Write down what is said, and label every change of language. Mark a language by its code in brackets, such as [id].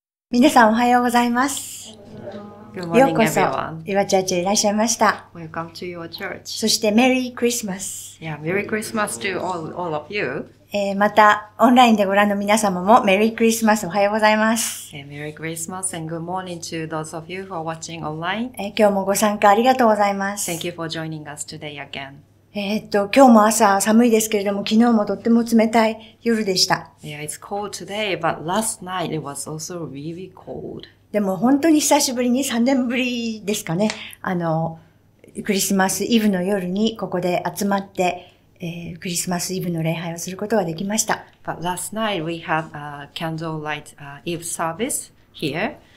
[ja] 皆さん、おはようございます。 [en] Good morning, [ja] ようこそ [en] everyone. [ja] 岩チャーチへいらっしゃいました。 [en] Welcome to your church. [ja] そしてメリークリスマス。 [en] Yeah, Merry Christmas to all of you. [ja] またオンラインでご覧の皆様もメリークリスマス、おはようございます。 [en] Merry Christmas and good morning to those of you who are watching online. [ja] 今日もご参加ありがとうございます。 [en] Thank you for joining us today again. [ja] 今日も朝寒いですけれども、昨日もとっても冷たい夜でした。 [en] Yeah, it's cold today, but last night it was also really cold. [ja] でも本当に久しぶりに、3年ぶりですかね、クリスマスイブの夜にここで集まって、クリスマスイブの礼拝をすることができました。 [en] But last night we had a candlelight Eve service here.